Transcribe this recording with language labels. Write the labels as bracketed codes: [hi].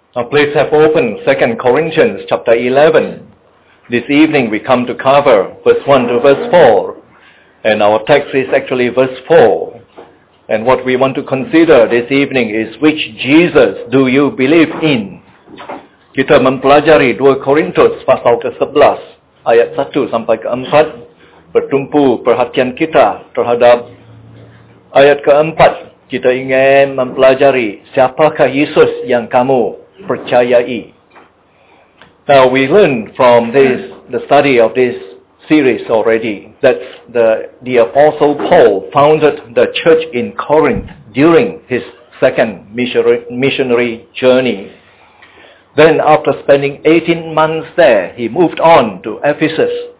[en] Please have opened 2 Corinthians chapter 11. This evening we come to cover verse 1 to verse 4. And our text is actually verse 4. And what we want to consider this evening is which Jesus do you believe in? [id] Kita mempelajari 2 Korintus pasal ke-11 ayat 1 sampai ke-4. Bertumpu perhatian kita terhadap ayat ke-4. Kita ingin mempelajari siapakah Yesus yang kamu percayai. [en] Now we learn from this, the study of this series already, that the Apostle Paul founded the church in Corinth during his second missionary journey. Then after spending 18 months there, he moved on to Ephesus.